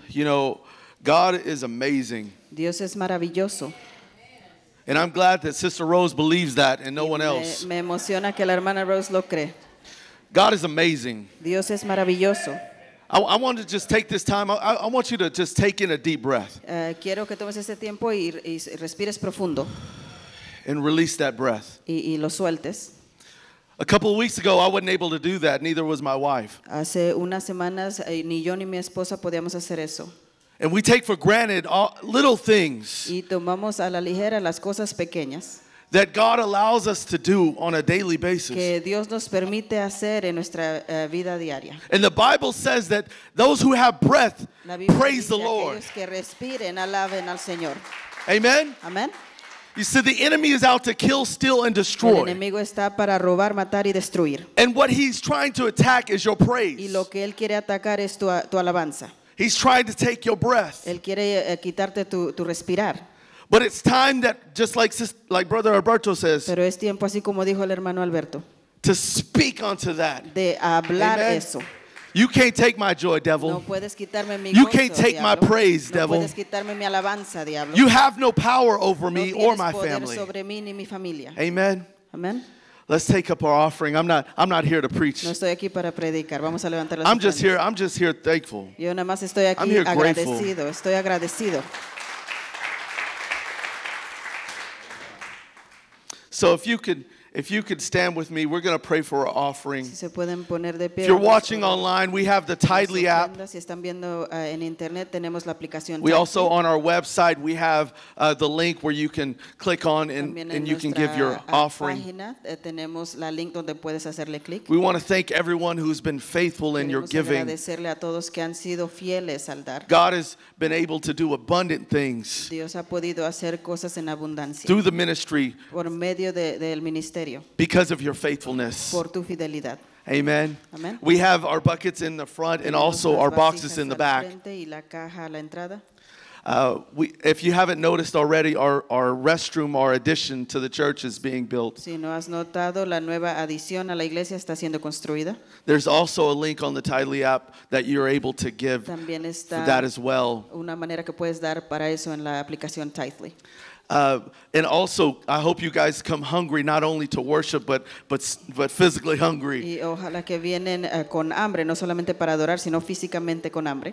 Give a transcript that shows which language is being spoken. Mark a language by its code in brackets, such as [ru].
[en] You know, God is amazing. [es] Dios es maravilloso. [en] And I'm glad that Sister Rose believes that and no [es] y [en] one else. [es] Me emociona que la hermana Rose lo cree. [en] God is amazing. [es] Dios es maravilloso. [en] I want to just take this time. I want you to just take in a deep breath. [es] Quiero que tomes este tiempo y respires profundo. [en] and release that breath. [es] Y lo sueltes. [en] A couple of weeks ago, I wasn't able to do that. Neither was my wife. [es] Hace unas semanas, ni yo ni mi esposa podíamos hacer eso. [en] And we take for granted all, little things. [es] Y tomamos a la ligera las cosas pequeñas. [en] That God allows us to do on a daily basis. [es] Que Dios nos permite hacer en nuestra vida diaria. [en] And the Bible says that those who have breath praise the Lord. [es] Aquellos que respiren alaben al Señor. [en] Amen. Amen. You see, the enemy is out to kill, steal, and destroy. [es] El enemigo está para robar, matar, y destruir. [en] And what he's trying to attack is your praise. [es] Y lo que él quiere atacar es tu alabanza. [en] He's trying to take your breath. [es] Él quiere quitarte tu respirar. [en] But it's time that, just like Brother Alberto says, [es] pero es tiempo, así como dijo el hermano Alberto, [en] to speak unto that. [es] De hablar eso. [en] You can't take my joy, devil. [es] No puedes quitarme mi gozo, [en] you can't take [es] diablo. [en] My praise, devil. [es] No puedes quitarme mi alabanza, diablo. [en] You have no power over me or my family. [es] No tienes poder sobre mí ni mi familia. [en] Amen. Amen. Let's take up our offering. I'm not here to preach. [es] No estoy aquí para predicar. Vamos a levantar las manos. [en] I'm just here thankful. [es] Yo nada más estoy aquí agradecido. Estoy agradecido. [en] So if you could stand with me, we're going to pray for our offering. [es] Si se pueden poner de pie. [en] If you're watching online, we have the Tidely app. [es] Si están viendo en internet, tenemos la aplicación Tidely. [en] We also, on our website, we have the link where you can click on and you can give your offering. [es] También en nuestra página tenemos la link donde puedes hacerle click. [en] We want to thank everyone who's been faithful in your giving. [es] Queremos agradecerle a todos que han sido fieles al dar. [en] God has been able to do abundant things. [es] Dios ha podido hacer cosas en abundancia. [en] Through the ministry. [es] Por medio del ministerio. [en] Because of your faithfulness. [es] Por tu fidelidad. [en] Amen. Amen. We have our buckets in the front and also our boxes in the back. [es] Y la caja a la entrada. [en] If you haven't noticed already, our restroom, our addition to the church is being built. [es] Si no has notado, la nueva adición a la iglesia está siendo construida. [en] There's also a link on the Tidely app that you're able to give [es] también está [en] for that as well. [es] Una manera que puedes dar para eso en la aplicación Tidely. [en] And also, I hope you guys come hungry, not only to worship, but physically hungry. [es] Y ojalá que vienen con hambre, no solamente para adorar, sino físicamente con hambre.